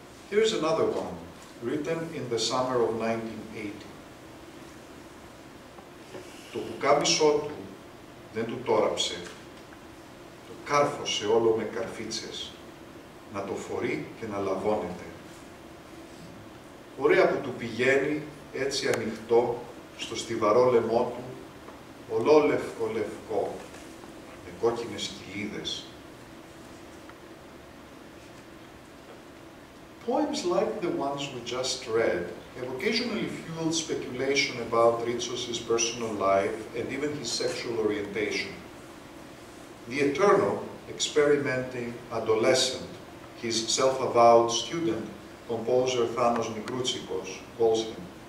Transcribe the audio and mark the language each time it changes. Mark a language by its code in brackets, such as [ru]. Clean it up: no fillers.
[en] Here's another one, written in the summer of 1980. [el] Το πουκάμισό του δεν του τόραψε. Το κάρφωσε όλο με καρφίτσες, να το φορεί και να λαβώνεται. Ωραία που του πηγαίνει έτσι ανοιχτό στο στιβαρό λαιμό του, ολόλευκο λευκό, με κόκκινες κοιλίδες. [en] Poems like the ones we just read have occasionally fueled speculation about Ritsos's personal life and even his sexual orientation. The eternal, experimenting adolescent, his self-avowed student, composer Thanos Nikroutsikos, calls him.